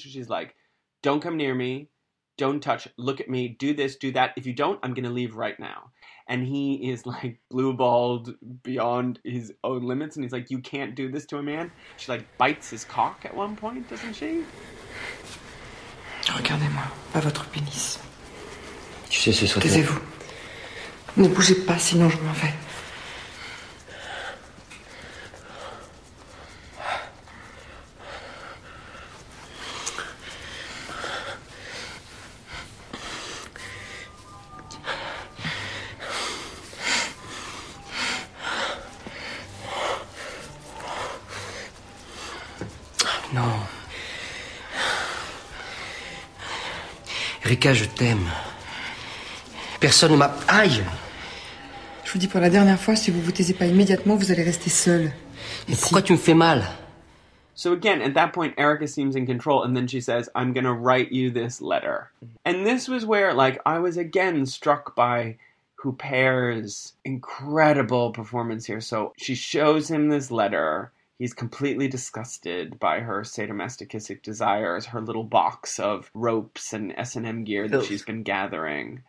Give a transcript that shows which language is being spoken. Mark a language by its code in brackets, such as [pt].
[en] She's like, don't come near me. Don't touch, look at me, do this, do that. If you don't, I'm going to leave right now. And he is like blue-balled beyond his own limits. And he's like, you can't do this to a man. She like bites his cock at one point, doesn't she? [fr] Regardez-moi, pas votre pénis. Tu sais ce soir. Taisez-vous. Ne bougez pas, sinon je m'en vais. Rika, je t'aime. Personne ne m'a... Aïe! Je vous dis pour la dernière fois, si vous vous taisez pas immédiatement, vous allez rester seule. Mais si... pourquoi tu me fais mal? [en] So again, at that point, Erica seems in control, and then she says, I'm gonna write you this letter. And this was where, like, I was again struck by Huppert's incredible performance here. So she shows him this letter. He's completely disgusted by her sadomasochistic desires, her little box of ropes and S&M gear that she's been gathering.